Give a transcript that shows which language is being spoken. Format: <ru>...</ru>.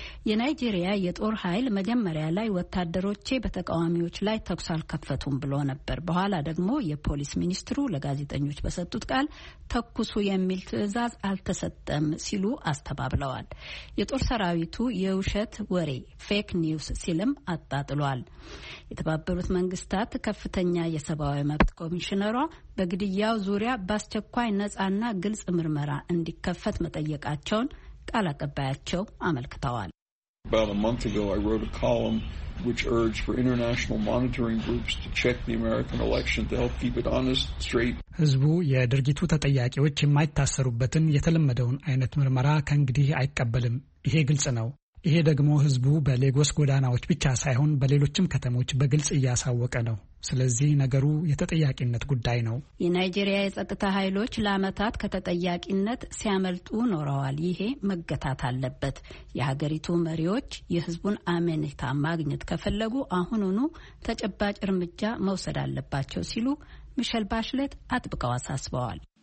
<am>የናይጄሪያ የጦር ኃይል መጀመሪያ ላይ ወታደሮቼ በተቃዋሚዎች ላይ ተኩስ አልከፈቱም ብሎ ነበር። በኋላ ደግሞ የፖሊስ ሚኒስትሩ ለጋዜጠኞች በሰጡት ቃል ተኩሱ የሚል ትዕዛዝ አልተሰጠም ሲሉ አስተባብለዋል። የጦር ሰራዊቱ የውሸት ወሬ ፌክ ኒውስ ሲልም አጣጥሏል። የተባበሩት መንግስታት ከፍተኛ የሰብአዊ መብት ኮሚሽነሯ በግድያው ዙሪያ በአስቸኳይ ነጻና ግልጽ ምርመራ እንዲከፈት መጠየቃቸውን ቃል አቀባያቸው አመልክተዋል።</am> <en>About a month ago I wrote a column which urged for international monitoring groups to check the American election to help keep it honest, straight.</en> <am>ህዝቡ የድርጊቱ ተጠያቂዎች የማይታሰሩበትን የተለመደውን አይነት ምርመራ ከእንግዲህ አይቀበልም። ይሄ ግልጽ ነው። ይሄ ደግሞ ህዝቡ በሌጎስ ጎዳናዎች ብቻ ሳይሆን በሌሎችም ከተሞች በግልጽ እያሳወቀ ነው። ስለዚህ ነገሩ የተጠያቂነት ጉዳይ ነው። የናይጄሪያ የጸጥታ ኃይሎች ለአመታት ከተጠያቂነት ሲያመልጡ ኖረዋል። ይሄ መገታት አለበት። የሀገሪቱ መሪዎች የህዝቡን አመኔታ ማግኘት ከፈለጉ አሁኑኑ ተጨባጭ እርምጃ መውሰድ አለባቸው ሲሉ ሚሼል ባሽለት አጥብቀው አሳስበዋል።</am>